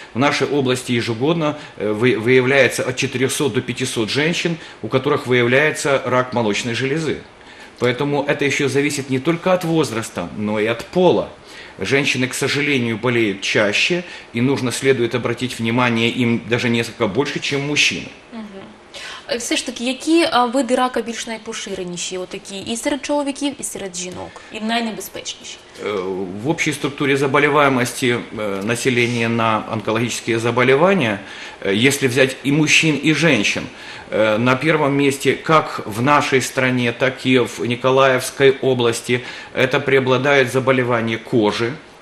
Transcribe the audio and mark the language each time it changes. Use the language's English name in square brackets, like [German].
[Russian] В нашей области ежегодно выявляется от 400 до 500 женщин, у которых выявляется рак молочной железы. Поэтому это еще зависит не только от возраста, но и от пола. Женщины, к сожалению, болеют чаще, и нужно следует обратить внимание им даже несколько больше, чем мужчины. Угу. [Ukrainian] Все ж таки, які види рака більш найпоширеніші? Отакі і серед чоловіків, і серед жінок, і найнебезпечніші? [Russian] В общей структуре заболеваемости населения на онкологические заболевания, если взять и мужчин, и женщин, на первом месте как в нашей стране, так и в Николаевской области, это преобладает заболевание кожи.